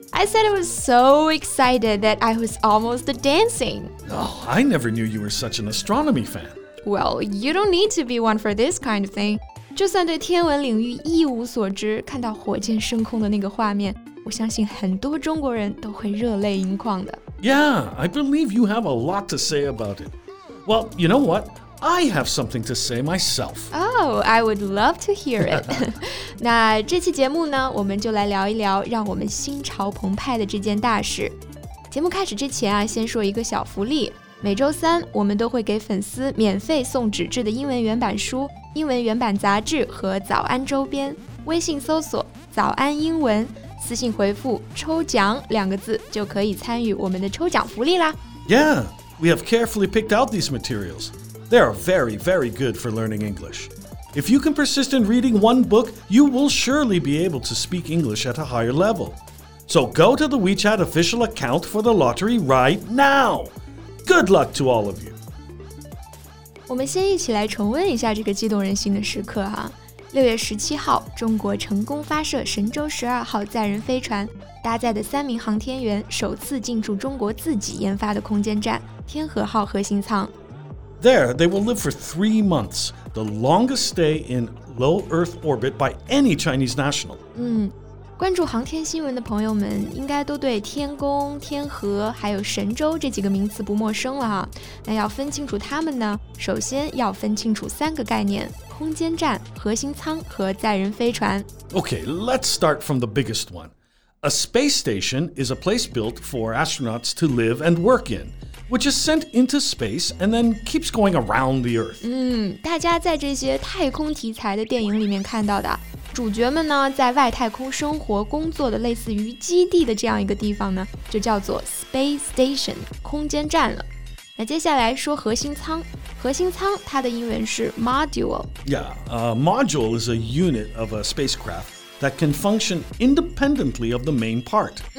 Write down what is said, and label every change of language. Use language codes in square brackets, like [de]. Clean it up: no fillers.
[en] I said I was so excited that I was almost dancing. Oh, I never knew you were such an astronomy fan. Well, you don't need to be one for this kind of thing. [zh] 就算对天文领域一无所知，看到火箭升空的那个画面，我相信很多中国人都会热泪盈眶的。 [en] Yeah, I believe you have a lot to say about it. Well, you know what? I have something to say myself. Oh, I would love to hear it. [zh] 那这期节目呢，我们就来聊一聊让我们心潮澎湃的这件大事。节目开始之前啊，先说一个小福利。每周三，我们都会给粉丝免费送纸质的英文原版书、英文原版杂志和早安周边。微信搜索“早安英文”，私信回复“抽奖”两个字，就可以参与我们的抽奖福利啦。 [en] Yeah. We have carefully picked out these materials. They are very, very good for learning English. If you can persist in reading one book, you will surely be able to speak English at a higher level. So go to the WeChat official account for the lottery right now. Good luck to all of you. [zh] 我们先一起来重温一下这个激动人心的时刻哈。 6月17号，中国成功发射神舟12号载人飞船，搭载的三名航天员首次进驻中国自己研发的空间站天河号核心舱。 [en] There, they will live for 3 months, the longest stay in low Earth orbit by any Chinese national. [zh] 关注航天新闻的朋友们应该都对天宫、天河还有神舟这几个名词不陌生了哈。那要分清楚它们呢，首先要分清楚三个概念，空间站、核心舱和载人飞船。 [en] Okay, let's start from the biggest one. A space station is a place built for astronauts to live and work in. Which is sent into space and then keeps going around the Earth. [zh] 大家在这些太空题材的电影里面看到的，主角们呢在外太空生活工作的类似于基地的这样一个地方呢，就叫做 space station, 空间站了。那接下来说核心舱，核心舱它的英文是 module. [en] Yeah, a module is a unit of a spacecraft. That can function independently of the main part.